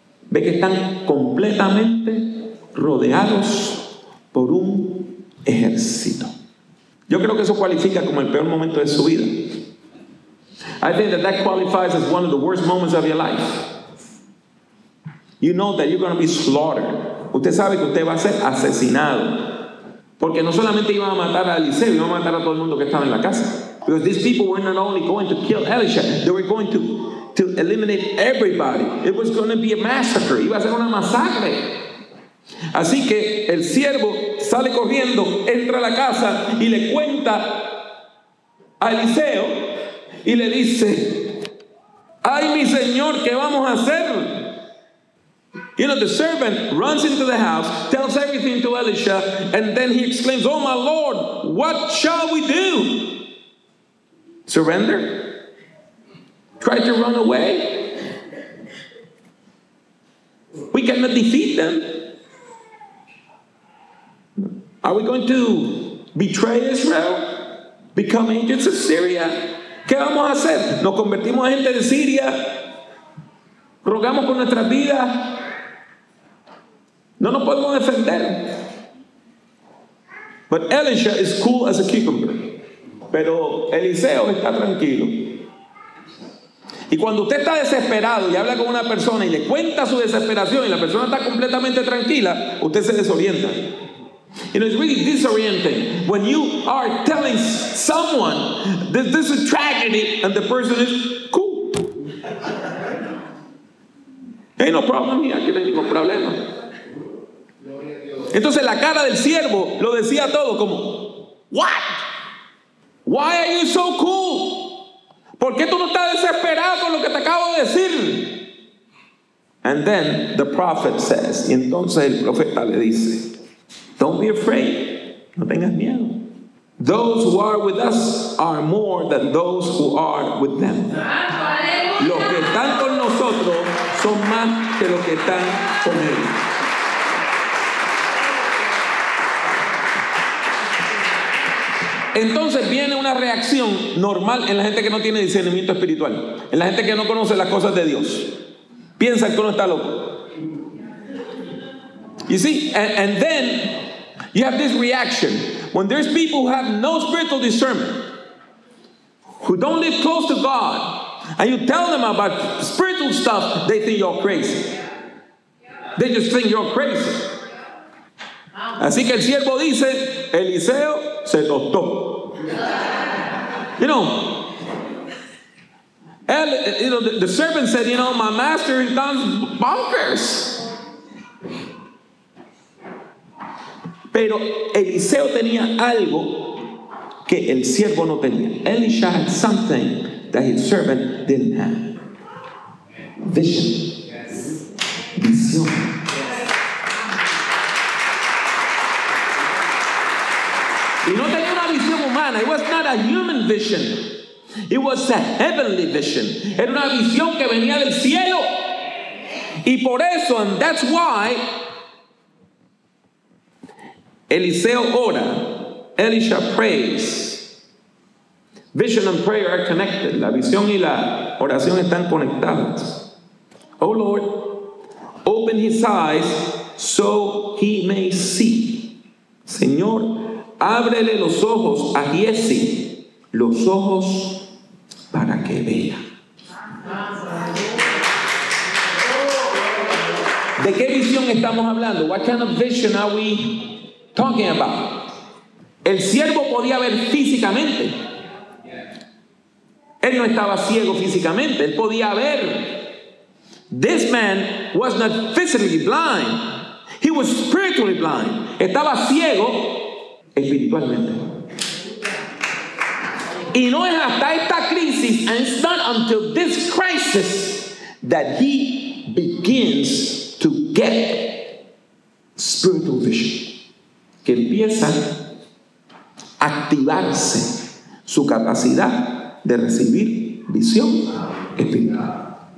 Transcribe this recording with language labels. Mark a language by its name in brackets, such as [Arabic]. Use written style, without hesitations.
[Spanish] Ve que están completamente rodeados por un ejército. Yo creo que eso cualifica como el peor momento de su vida. [English] I think that qualifies as one of the worst moments of your life. You know that you're going to be slaughtered. [Spanish] Usted sabe que usted va a ser asesinado. Porque no solamente iba a matar a Eliseo, iba a matar a todo el mundo que estaba en la casa. [English] Because these people were not only going to kill Elisha, they were going to eliminate everybody. It was going to be a massacre. [Spanish] Iba a ser una masacre. Así que el siervo sale corriendo, entra a la casa y le cuenta a Eliseo. Y le dice, ay mi señor, ¿qué vamos a hacer? [English] You know, the servant runs into the house, tells everything to Elisha, and then he exclaims, "Oh my Lord, what shall we do? Surrender? Try to run away? We cannot defeat them. Are we going to betray Israel? Become agents of Syria? [Spanish] ¿Qué vamos a hacer? ¿Nos convertimos en gente de Siria? ¿Rogamos por nuestras vidas? No nos podemos defender." [English] But Elisha is cool as a cucumber. [Spanish] Pero Eliseo está tranquilo. Y cuando usted está desesperado y habla con una persona y le cuenta su desesperación y la persona está completamente tranquila, usted se desorienta. [English] You know, it's really disorienting when you are telling someone that this is a tragedy and the person is cool. Ain't no problem here. [Spanish] Aquí no hay ningún problema. Entonces la cara del siervo lo decía todo como, [English] "What? Why are you so cool? [Spanish] ¿Por qué tú no estás desesperado con lo que te acabo de decir?" [English] And then the prophet says, [Spanish] y entonces el profeta le dice, [English] "Don't be afraid." [Spanish] No tengas miedo. [English] "Those who are with us are more than those who are with them." [Spanish] Los que están con nosotros son más que los que están con ellos. Entonces viene una reacción normal en la gente que no tiene discernimiento espiritual, en la gente que no conoce las cosas de Dios. Piensa que uno está loco. [English] You see, and then you have this reaction when there's people who have no spiritual discernment, who don't live close to God, and you tell them about spiritual stuff, they think you're crazy. They just think you're crazy. [Spanish] Así que el siervo dice, Eliseo se tostó. [English] You know, the servant said, "You know, my master has gone bonkers." [Spanish] Pero Eliseo tenía algo que el siervo no tenía. [English] Elisha had something that his servant didn't have. Vision. [Spanish] Visión. Y no tenía una visión humana. [English] It was not a human vision. It was a heavenly vision. [Spanish] Era una visión que venía del cielo. Y por eso, [English] and that's why, [Spanish] Eliseo ora, [English] Elisha prays. Vision and prayer are connected. [Spanish] La visión y la oración están conectadas. [English] "Oh Lord, open his eyes so he may see." [Spanish] Señor, ábrele los ojos a Jesse, los ojos para que vea. ¿De qué visión estamos hablando? [English] What kind of vision are we talking about? [Spanish] El siervo podía ver físicamente. Él no estaba ciego físicamente. Él podía ver. [English] This man was not physically blind. He was spiritually blind. [Spanish] Estaba ciego espiritualmente. Y no es hasta esta crisis, [English] and it's not until this crisis, that he begins to get spiritual vision. [Spanish] Que empieza a activarse su capacidad de recibir visión espiritual.